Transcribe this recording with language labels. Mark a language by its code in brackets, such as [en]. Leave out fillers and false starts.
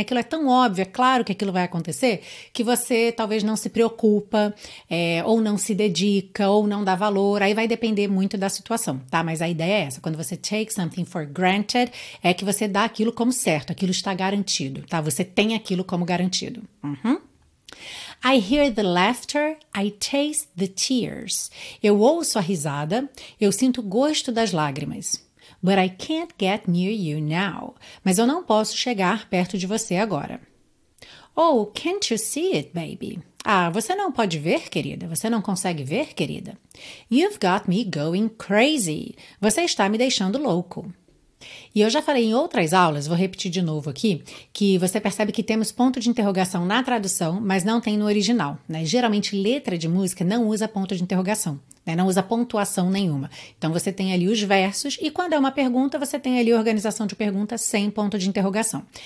[pt] Aquilo é tão óbvio, é claro que aquilo vai acontecer, que você talvez não se preocupa, ou não se dedica, ou não dá valor, aí vai depender muito da situação, tá? Mas a ideia é essa, quando você [en] take something for granted, [pt] é que você dá aquilo como certo, aquilo está garantido, tá? Você tem aquilo como garantido. Uhum. [en] I hear the laughter, I taste the tears. [pt] Eu ouço a risada, eu sinto o gosto das lágrimas. [en] But I can't get near you now. [pt] Mas eu não posso chegar perto de você agora. [en] Oh, can't you see it, baby? [pt] Ah, você não pode ver, querida. Você não consegue ver, querida. [en] You've got me going crazy. [pt] Você está me deixando louco. E eu já falei em outras aulas, vou repetir de novo aqui, que você percebe que temos ponto de interrogação na tradução, mas não tem no original, né? Geralmente, letra de música não usa ponto de interrogação, né? Não usa pontuação nenhuma. Então, você tem ali os versos e quando é uma pergunta, você tem ali a organização de perguntas sem ponto de interrogação.